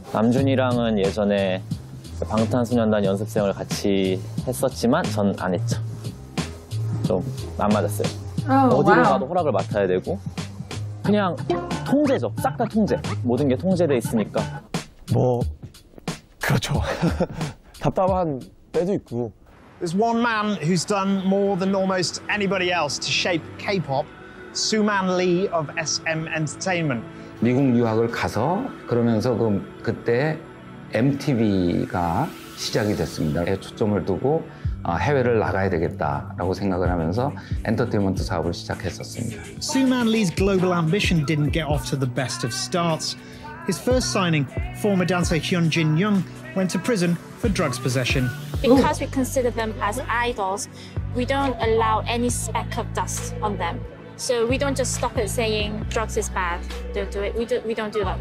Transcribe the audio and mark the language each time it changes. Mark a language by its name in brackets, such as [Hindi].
[Korean] 남준이랑은 예전에 방탄소년단 연습생을 같이 했었지만 전 안 했죠. 좀 안 맞았어요. Oh, 어디로 wow. 가도 허락을 맡아야 되고 그냥 통제죠. 싹 다 통제. 모든 게 통제돼 있으니까. 뭐 그렇죠. 답답한 때도 있고. [English] There's one man who's done more than almost anybody else to shape K-pop, Suman Lee of SM Entertainment. [Korean] 미국 유학을 가서 그러면서 그때 MTV가 시작이 됐습니다. 초점을 두고 해외를 나가야 되겠다라고 생각을 하면서 엔터테인먼트 사업을 시작했었습니다. [English] Soo-man Lee's global ambition didn't get off to the best of starts. His first signing, former dancer Hyunjin Young, went to prison for drugs possession. Because we consider them as idols, we don't allow any speck of dust on them. So we don't just stop at saying drugs is bad, don't do it. We don't do that.